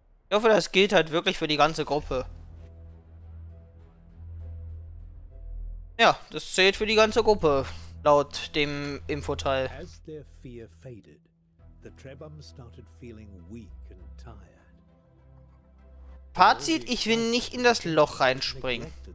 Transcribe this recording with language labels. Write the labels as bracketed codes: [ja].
[de] Ich hoffe, das gilt halt wirklich für die ganze Gruppe. Ja, das zählt für die ganze Gruppe, laut dem Infoteil. [en] As their fear faded, the Trebum started feeling weak and tired. [de] Fazit, ich will nicht in das Loch reinspringen.